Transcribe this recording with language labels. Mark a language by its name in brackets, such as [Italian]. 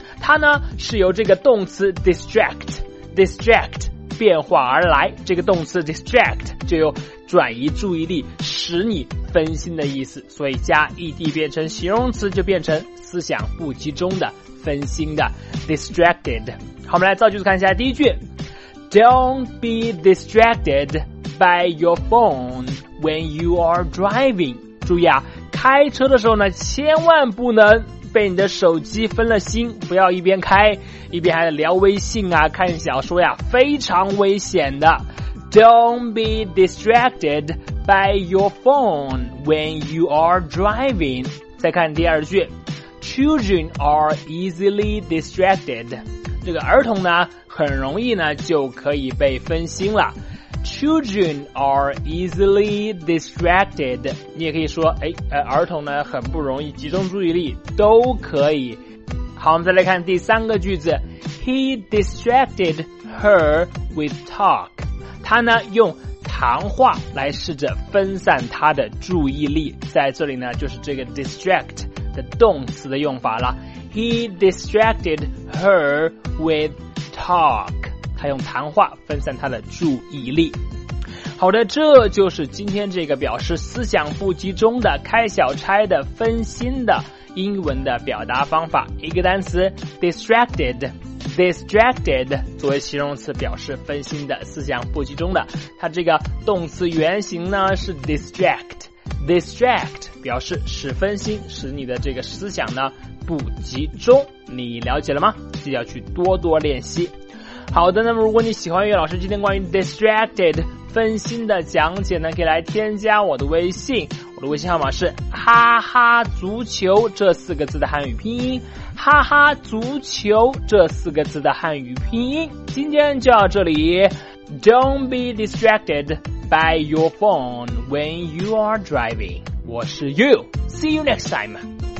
[Chinese] 它呢是由这个动词 distract 变化而来。这个动词 distract 就有转移注意力、使你分心的意思。所以加 ed 变成形容词，就变成思想不集中的、分心的 ，distracted。好，我们来造句子看一下第一句。 [English] Don't be distracted by your phone when you are driving. [Chinese] 注意啊，开车的时候呢，千万不能被你的手机分了心，不要一边开，一边还聊微信啊，看小说呀，非常危险的。 [English] Don't be distracted by your phone when you are driving. [Chinese] 再看第二句。 [English] Children are easily distracted. [Chinese] 这个儿童呢很容易呢就可以被分心了。 [English] Children are easily distracted. [Chinese] 你也可以说儿童呢很不容易集中注意力，都可以。好，我们再来看第三个句子。 [English] He distracted her with talk. [Chinese] 他呢用谈话来试着分散他的注意力。在这里呢就是这个 distract 的动词的用法了。 [English] He distracted her with talk， [Chinese] 他用谈话分散他的注意力。好的，这就是今天这个表示思想不集中的、开小差的、分心的英文的表达方法。一个单词 distracted 作为形容词表示分心的、思想不集中的，它这个动词原型呢是 distract 表示使分心，使你的这个思想呢不集中，你了解了吗？记得要去多多练习。好的，那么如果你喜欢岳老师今天关于 distracted 分心的讲解呢，可以来添加我的微信，我的微信号码是哈哈足球这四个字的汉语拼音，哈哈足球这四个字的汉语拼音。今天就到这里， [English] Don't be distracted by your phone when you are driving. [Chinese] 我是 [English] You, See you next time.